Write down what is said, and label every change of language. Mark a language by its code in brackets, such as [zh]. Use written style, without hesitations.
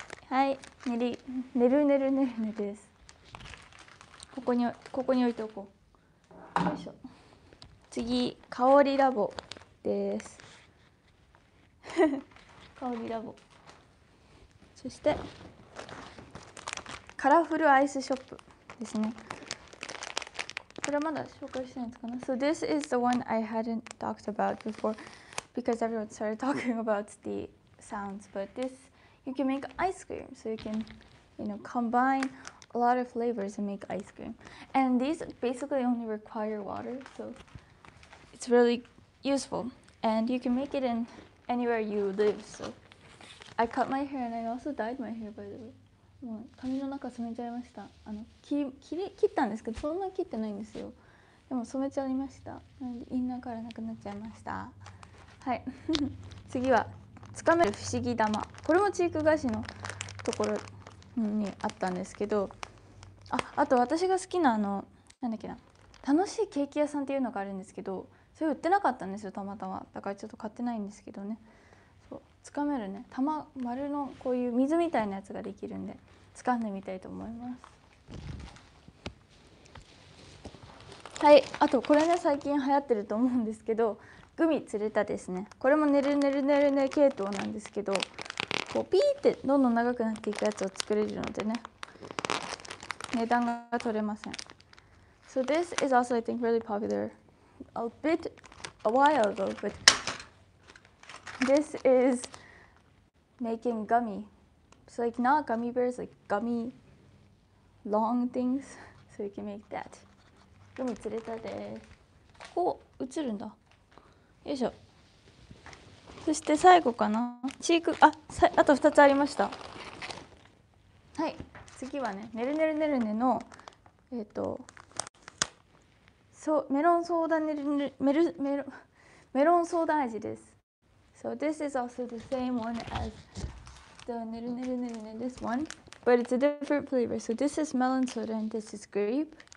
[ja] はい、ねり、ねるねるねるねです。ここに、ここに置いておこう。よいしょ。次、香りラボです。香りラボ。そしてカラフルアイスショップですね。これまだ紹介してないんですかね。 [en] So this is the one I hadn't talked about before because everyone started talking about the sounds, but this, you can make ice cream, so you can, you know, combine a lot of flavors and make ice cream. And these basically only require water, so it's really useful. And you can make it in anywhere you live, so I cut my hair and I also dyed my hair, by the way. [ja] もう髪の中染めちゃいました。あの 切ったんですけど、そんなに切ってないんですよ。でも染めちゃいました。なんでインナーからなくなっちゃいました。はい次はつかめる不思議玉。これもチーク菓子のところにあったんですけど、 あと私が好きなあのなんだっけな、楽しいケーキ屋さんっていうのがあるんですけど、それ売ってなかったんですよ、たまたま。だからちょっと買ってないんですけどね。つかめるね、玉丸のこういう水みたいなやつができるんで、掴んでみたいと思います。はい、あとこれね、最近流行ってると思うんですけど、グミつれたですね。これもねるねるねるね系統なんですけど、こうピーってどんどん長くなっていくやつを作れるのでね、値段が取れません。 [en] So this is also I think really popular a bit a while ago, butThis is making gummy. So like not gummy bears, like gummy long things. So you can make that. [ja] グミ釣れたで。こう映るんだ。よいしょ。そして最後かな。チーク、あ、さ、あと2つありました。はい。次はね、ねるねるねるねの、メロンソーダねるねる、メロンソーダ味です。 [en] So this is also the same one as the Neru Neru Neru Neru, this one, but it's a different flavor. So this is melon soda and this is grape.